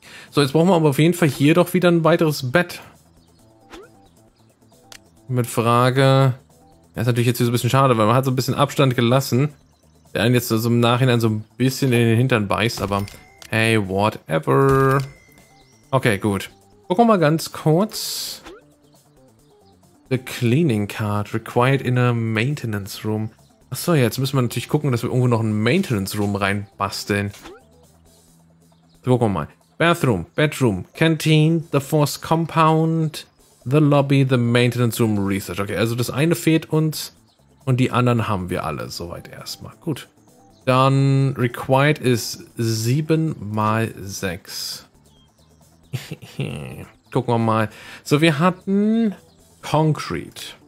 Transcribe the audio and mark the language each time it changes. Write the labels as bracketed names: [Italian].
[German] So, jetzt brauchen wir aber auf jeden Fall hier doch wieder ein weiteres Bett. Mit Frage. Das ist natürlich jetzt hier so ein bisschen schade, weil man hat so ein bisschen Abstand gelassen, der einen jetzt so im Nachhinein so ein bisschen in den Hintern beißt, aber hey, whatever. Okay, gut. Gucken wir mal ganz kurz. [English] The cleaning card required in a maintenance room. [German] Achso, ja, jetzt müssen wir natürlich gucken, dass wir irgendwo noch einen maintenance room reinbasteln. So, gucken wir mal. [English] Bathroom, bedroom, canteen, the force compound, the lobby, the maintenance room research. [German] Okay, also das eine fehlt uns und die anderen haben wir alle soweit erstmal. Gut. Dann required ist 7x6. Gucken wir mal. So, wir hatten Concrete.